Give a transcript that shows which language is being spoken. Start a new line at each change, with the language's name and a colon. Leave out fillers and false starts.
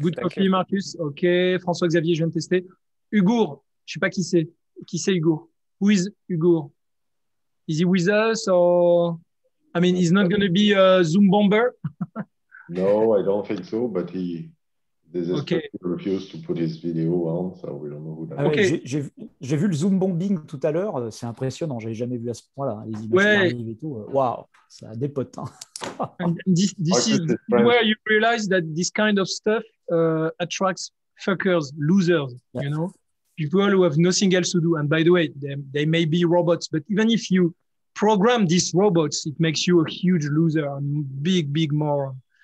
English: Good coffee, Marcus.
French: OK, François-Xavier, je viens de tester. Hugo, je ne sais pas qui c'est. Qui c'est Hugo?
English: Who is Hugo? Is he with us or... I mean, he's not going to be a Zoom bomber? No, I don't think so, but he... refuse to put his video on, so we don't know who that is.
French: J'ai vu le Zoom bombing tout à l'heure, c'est impressionnant, je n'avais jamais vu à ce point-là. Les images arrivent et tout. Wow, ça a des potes. Hein.
English: This is where you realize that this kind of stuff attracts fuckers, losers, you know? People who have nothing else to do. And by the way, they may be robots, but even if you program these robots, it makes you a huge loser, a big, big moron.